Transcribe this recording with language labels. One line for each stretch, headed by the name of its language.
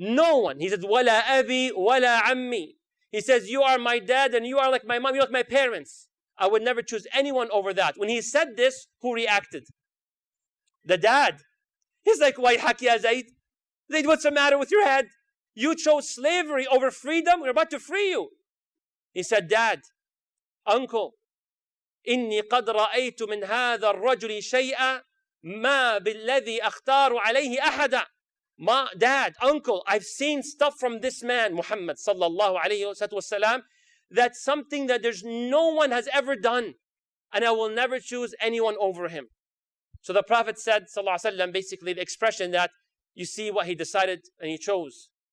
English: No one. He says,
Arabic: wala abi, wala ammi.
English: He says, you are my dad and you are like my mom, you're like my parents. I would never choose anyone over that. When he said this, who reacted? The dad. He's like, why haki ya Zayd? Zayd, what's the matter with your head? You chose slavery over freedom. We're about to free you. He said, dad, uncle,
Arabic: إني قد رأيت من هذا الرجل شيئا ما بالذي أختار عليه أحدا.
English: My dad, uncle, I've seen stuff from this man, Muhammad sallallahu alayhi wa sallam, that something that there's no one has ever done, and I will never choose anyone over him. So the Prophet said, sallallahu alayhi wa sallam, basically the expression that you see what he decided and he chose.